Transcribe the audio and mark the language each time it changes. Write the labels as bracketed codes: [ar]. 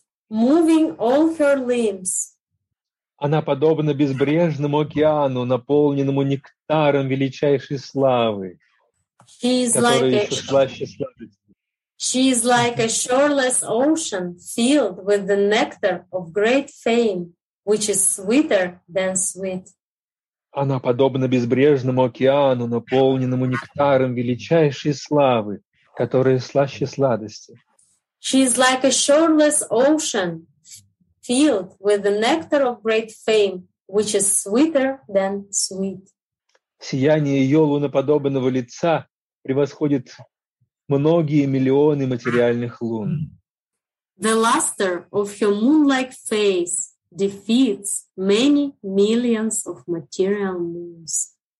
[en] Moving all her limbs. [ru] Она подобна безбрежному океану, наполненному нектаром величайшей славы, которая еще слаще сладости. [en] She is like a shoreless ocean filled with the nectar of great fame, which is sweeter than sweet. [ru] Она подобна безбрежному океану, наполненному нектаром величайшей славы, которая слаще сладости. [en] She is like a shoreless ocean filled with the nectar of great fame, which is sweeter than sweet. [ru] Сияние ее луноподобного лица превосходит многие миллионы материальных лун. [en] The luster of her moon-like face defeats many millions of material moons.